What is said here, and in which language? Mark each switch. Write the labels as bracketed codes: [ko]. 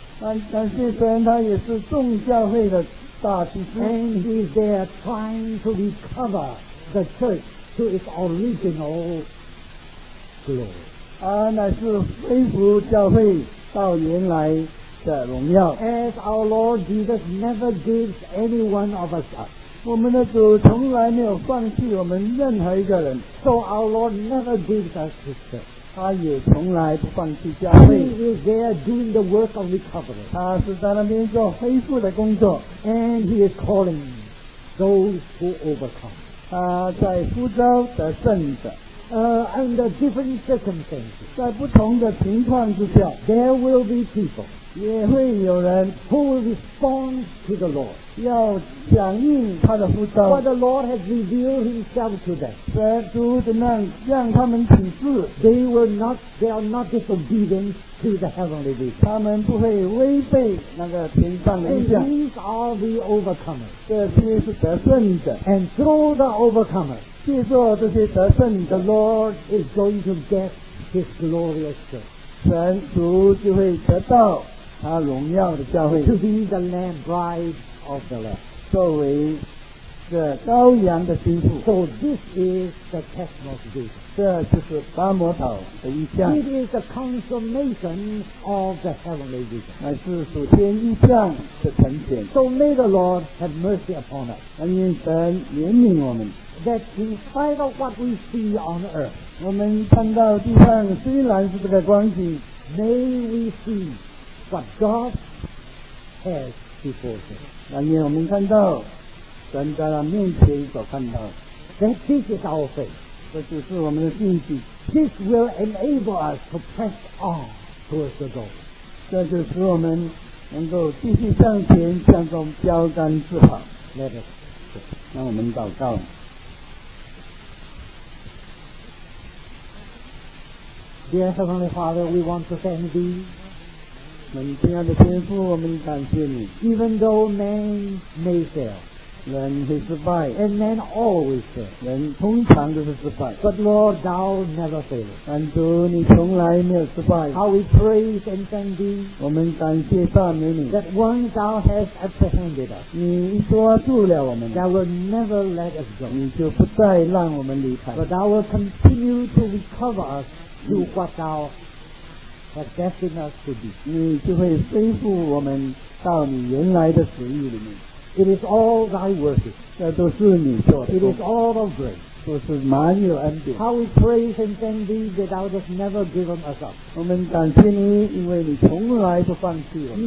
[zh] 感谢神他也是众教会的大祭司 [en] and he is there trying to recover the church to its original glory [zh] 他乃是恢复教会到原来的荣耀 [en] as our Lord Jesus never gives any one of us up [zh] 我们的主从来没有放弃我们任何一个人 [en] So our Lord never gives us his church [zh] 他也从来不放弃教会 [en] He is there doing the work of recovery [zh] 他是在那边做恢复的工作 [en] And he is calling those who overcome [zh] 他在呼召得胜者 [en] Under different circumstances [zh] 在不同的情况之下 [en] There will be people [zh] 也会有人 [en] who will respond to the Lord [zh] 要响应他的呼召 [en] But the Lord has revealed himself to them [zh] 神主怎样让他们启示 [en] They are not disobedient to the heavenly vision [zh] 他们不会违背那个天上的意象 [en] And these are the overcomers [zh] 这些是得胜者 [en] And through the overcomers [zh] 借助这些得胜者 [en] The Lord is going to get his glorious church [zh] 神主就会得到他荣耀的教会 [en] to be the lamb bride of the lamb [zh] 作为这羔羊的心腹 [en] so this is the testimony [zh] 这就是巴摩岛的意象 [en] it is the consummation of the heavenly vision [zh] 乃是属天意象的呈现 [en] so may the Lord have mercy upon us [zh] 但愿神怜悯我们 [en] that in spite of what we see on earth [zh] 我们看到地上虽然是这个光景 [en] may we see what God has before him [zh] 但愿我们看到神在他面前所看到 [en] 的 This is our faith [zh] 这就是我们的信心 [en] This will enable us to press on towards the goal [zh] 这就使我们能够继续向前向中标杆自跑 [en] Let us pray [zh] 让我们祷告 [en] Dear Heavenly Father we want to thank thee [zh] 我们亲爱的天父我们感谢你 [en] Even though man may fail [zh] 人会失败 [en] and men always fail [zh] 人通常就是失败 [en] but Lord thou never fail [zh] 但主你从来没有失败 [en] how we praise and thank thee [zh] 我们感谢赞美你 [en] that once thou hast apprehended us [zh] 你抓住了我们 [en] thou will never let us go [zh] 你就不再让我们离开 [en] but thou will continue to recover us to what thou has destined us to be [zh] 你就会恢复我们到你原来的旨意里面 [en] It is all thy work. [zh] 这都是你做的。 [en] It is all of grace. [zh] 都是满有恩典。 [en] How we praise and thank thee that thou hast never given us up. [zh] 我们感谢你，因为你从来不放弃我们。